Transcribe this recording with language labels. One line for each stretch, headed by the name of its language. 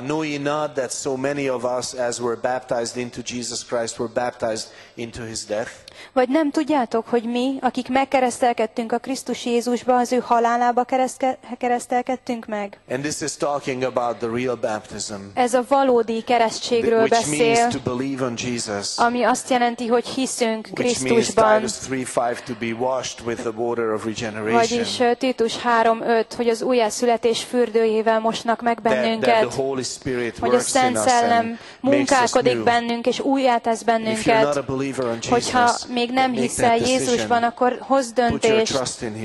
English: Know ye not that so many of us as were baptized into Jesus Christ were baptized into his death?
Hungarian: Vagy nem tudjátok, hogy mi, akik megkeresztelkedtünk a Krisztus Jézusba, az ő halálába keresztelkedtünk meg?
English: And this is talking about the real baptism.
Hungarian: Ez a valódi keresztségről
English: which
Hungarian: beszél,
English: means to believe on Jesus,
Hungarian: ami azt jelenti, hogy hiszünk Krisztusban.
English: Which means Titus 3:5 to be washed with the water of regeneration.
Hungarian: Vagyis Titus 3:5, hogy az újjászületés fürdőjével mosnak meg bennünket.
English: That the Holy Spirit works,
Hungarian: hogy a Szent Szellem munkálkodik bennünk és újjátesz bennünket. Hogyha még nem hiszel Jézusban, akkor hozz döntést.